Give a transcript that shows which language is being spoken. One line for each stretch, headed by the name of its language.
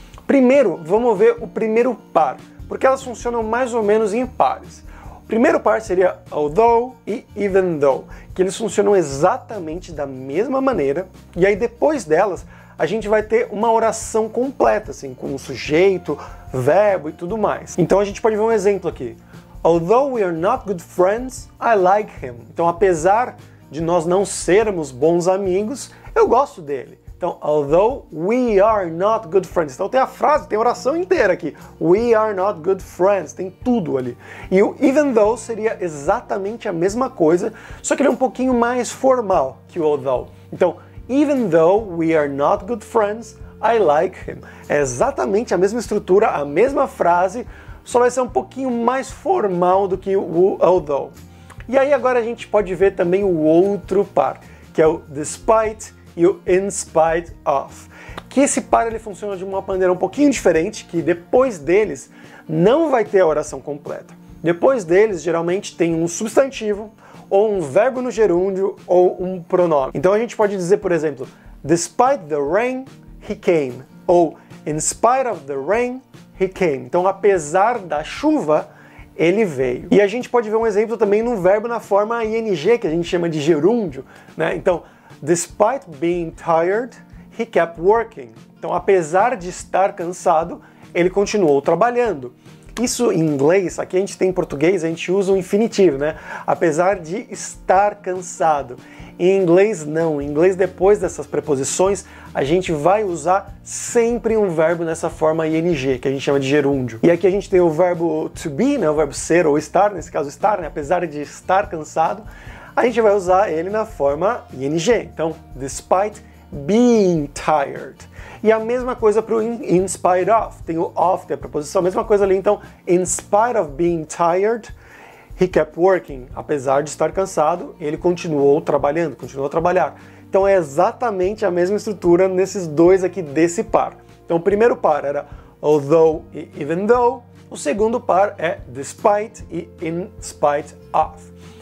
Portuguese: Primeiro, vamos ver o primeiro par, porque elas funcionam mais ou menos em pares. O primeiro par seria although e even though, que eles funcionam exatamente da mesma maneira, e aí depois delas, a gente vai ter uma oração completa, assim, com um sujeito, verbo e tudo mais. Então a gente pode ver um exemplo aqui.
English: Although we are not good friends, I like him.
Portuguese: Então, apesar de nós não sermos bons amigos, eu gosto dele.
English: Então, although we are not good friends.
Portuguese: Então tem a frase, tem a oração inteira aqui.
English: We are not good friends.
Portuguese: Tem tudo ali. E o even though seria exatamente a mesma coisa, só que ele é um pouquinho mais formal que o although.
English: Então, even though we are not good friends, I like him.
Portuguese: É exatamente a mesma estrutura, a mesma frase, só vai ser um pouquinho mais formal do que o although. E aí agora a gente pode ver também o outro par, que é o despite e o in spite of. Que esse par ele funciona de uma maneira um pouquinho diferente, que depois deles não vai ter a oração completa. Depois deles, geralmente tem um substantivo, ou um verbo no gerúndio, ou um pronome. Então a gente pode dizer, por exemplo,
English: despite the rain, he came. Ou in spite of the rain, he came.
Portuguese: Então, apesar da chuva, ele veio. E a gente pode ver um exemplo também num verbo na forma ing, que a gente chama de gerúndio, né?
English: Então, despite being tired, he kept working.
Portuguese: Então, apesar de estar cansado, ele continuou trabalhando. Isso em inglês, aqui a gente tem em português, a gente usa o infinitivo, né? Apesar de estar cansado. Em inglês, não. Em inglês, depois dessas preposições, a gente vai usar sempre um verbo nessa forma ing, que a gente chama de gerúndio. E aqui a gente tem o verbo to be, né? O verbo ser ou estar, nesse caso estar, né? Apesar de estar cansado, a gente vai usar ele na forma ing.
English: Então, despite being tired.
Portuguese: E a mesma coisa para o in spite of. Tem o of, tem a preposição, a mesma coisa ali.
English: Então, in spite of being tired, he kept working.
Portuguese: Apesar de estar cansado, ele continuou trabalhando, continuou a trabalhar. Então, é exatamente a mesma estrutura nesses dois aqui desse par. Então, o primeiro par era although e even though. O segundo par é despite e in spite of.